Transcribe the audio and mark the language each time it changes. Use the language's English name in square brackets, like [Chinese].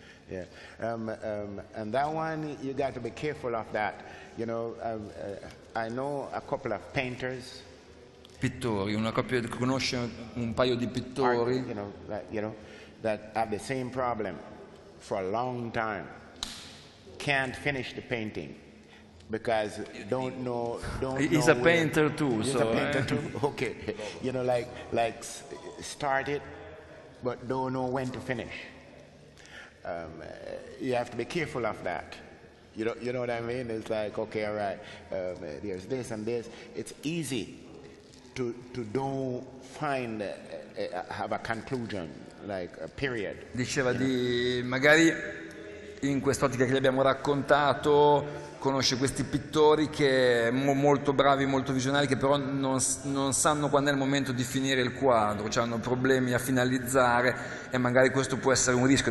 [English] And that one, you got to be careful of that. You know, I know a couple of painters. [Italian] Pittori, una coppia che conosce un paio di pittori. [English] Art, you know, that have the same problem for a long time. Can't finish the painting because don't know. He's a painter too. Okay, you know, like start it, but don't know when to finish. You have to be careful of that. You know what I mean? It's like, okay, all right, there's this and this. It's easy. To don't find have a conclusion, like a period. [Italian] Diceva di magari in quest'ottica che gli abbiamo raccontato, conosce questi pittori che molto bravi, molto visionari, che però non sanno quando è il momento di finire il quadro, cioè hanno problemi a finalizzare, e magari questo può essere un rischio.